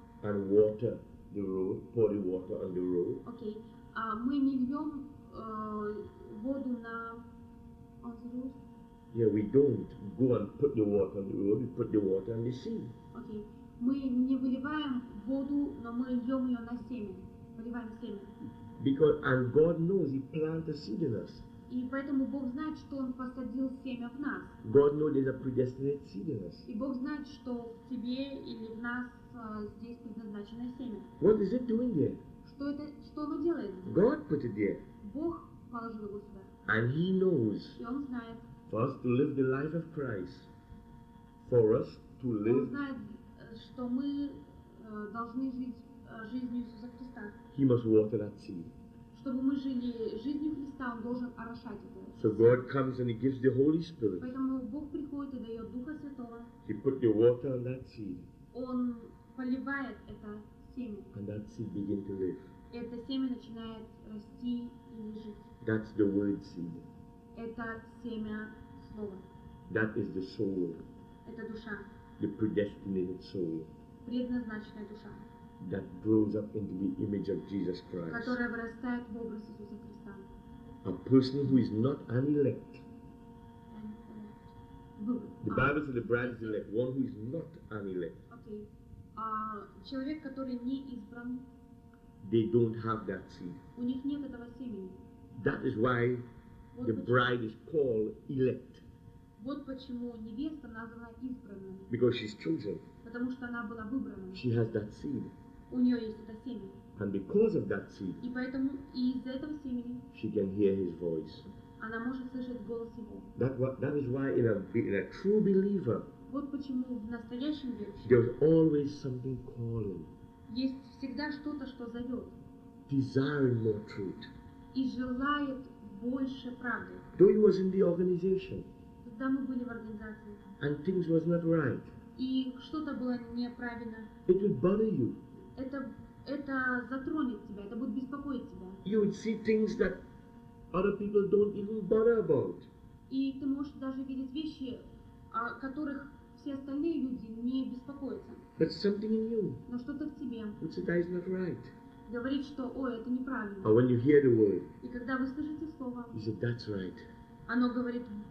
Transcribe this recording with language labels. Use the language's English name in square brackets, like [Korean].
[English] and water the road, pour the water on the road. [Russian] Okay. Мы не льем воду на [English] road. Yeah, we don't go and put the water on the road, we put the water on the seed. Okay. [Russian] Мы не выливаем воду, но мы льем ее на семя. Выливаем семя. [English] Because and God knows He planted a seed in us. [Russian] И поэтому Бог знает, что Он посадил семя в нас. [English] God knows there's a predestined seed in us. [Russian] И Бог знает, что в тебе или в нас здесь предназначено семя. [English] What is it doing there? [Russian] Что оно делает? [English] God put it there. [Russian] Бог положил его сюда. [English] And He knows. [Russian] И Он знает. [English] For us to live the life of Christ, for us to live. [Russian] Он знает, что мы должны жить жизнью Иисуса Христа. [English] He must water that seed. [Russian] Чтобы мы жили жизнью Христа, Он должен орошать это. [English] So God comes and He gives the Holy Spirit. [Russian] Поэтому Бог приходит и дает Духа Святого. [English] He put the water on that seed. [Russian] Он поливает это семя. [English] And that seed begins to live. [Russian] Это семя начинает расти и жить. [English] That's the word seed. [Russian] Это семя слова. [English] That is the soul. [Russian] Это душа. [English] The predestined soul. [Russian] Предназначенная душа. [English] That grows up into the image of Jesus Christ. [Russian] Которая вырастает в образ Иисуса Христа. [English] A person who is not an elect. And, the Bible says the bride is elect. One who is not an elect. Okay. [Russian] Человек, который не избран. [English] They don't have that seed. [Russian] У них нет этого семени. [English] That is why the bride is called elect. [Russian] Вот почему невеста названа избранной. [English] Because she's chosen. [Russian] Потому что она была выбрана. [English] She has that seed. [Russian] У нее есть это семя. [English] And because of that seed. [Russian] И поэтому и из-за этого семени. [English] She can hear His voice. [Russian] Она может слышать голос Его. [English] That is why in a true believer. [Russian] Вот почему в настоящем верующем. [English] There's always something calling. [Russian] Есть всегда что-то, что зовет. [English] Desiring more truth. [Russian] И желает больше правды. [English] Though he was in the organization. [Russian] Когда мы были в организации. [English] And things was not right. [Russian] И что-то было неправильно. [English] It would bother you. [Russian] Это затронет тебя, это будет беспокоить тебя. [English] You would see things that other people don't even bother about. [Russian] И ты можешь даже видеть вещи, о которых все остальные люди не беспокоятся. [English] But something in you. [Russian] Но что-то в тебе. [English] Which it is not right. [Russian] Говорит, что, ой, это неправильно. [English] Or when you hear the word. [Russian] И когда вы слышите слово. [English] You say, that's right. [Russian] Оно говорит.